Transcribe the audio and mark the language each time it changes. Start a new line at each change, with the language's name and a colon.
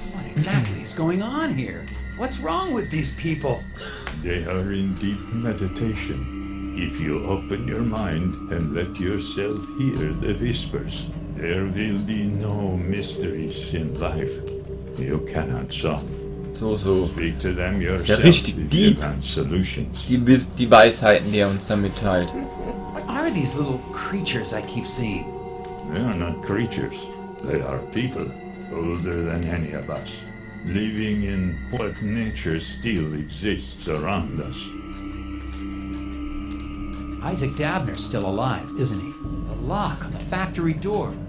English: Exactly, what's going on here? What's wrong with these people? They are in deep meditation. If you open your mind and let yourself hear the whispers, there will be no mysteries in life you cannot solve. So. Speak to them yourself.
German: Ja, richtig, die Weisheiten, die uns damit teilt.
English: What are these little creatures I keep seeing? They are not creatures. They are people older than any of us. Living in what nature still exists around us. Isaac Dabner's still alive, isn't he? The lock on the factory door.